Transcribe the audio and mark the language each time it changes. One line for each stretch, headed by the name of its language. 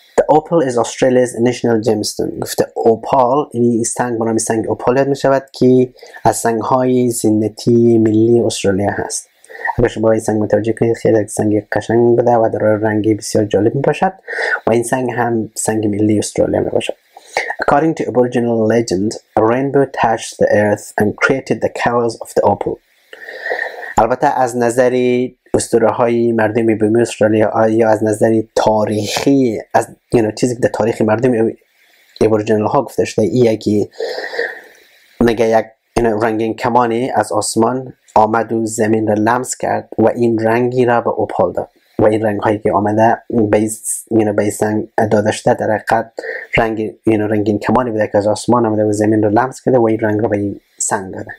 English: Opal از Australia's national gemstone.
Persian: گفته اوپال این سنگ به نام سنگ اوپال یاد می شود که از سنگ های زینتی ملی استرالیا هست. اگر شما این سنگ متوجه کنید خیلی سنگ قشنگ بوده و داره رنگی بسیار جالب می باشد و این سنگ هم سنگ ملی استرالیا می باشد.
English: According to Aboriginal legend, a rainbow touched the earth and created the colors of the opal.
Persian: البته از نظری اسطوره های مردم بومی استرالیا یا از نظر تاریخی از یعنی چیزی که در تاریخ مردم ایبورجنال ها گفته شده ای که نگه یک رنگین کمانی از آسمان آمد و زمین را لمس کرد و این رنگی را به اوپال داد و این رنگ هایی که آمده به سنگ داده شده در حقیقت رنگین کمانی بوده که از آسمان آمده و زمین را لمس کرده و این رنگ را به سنگ داده.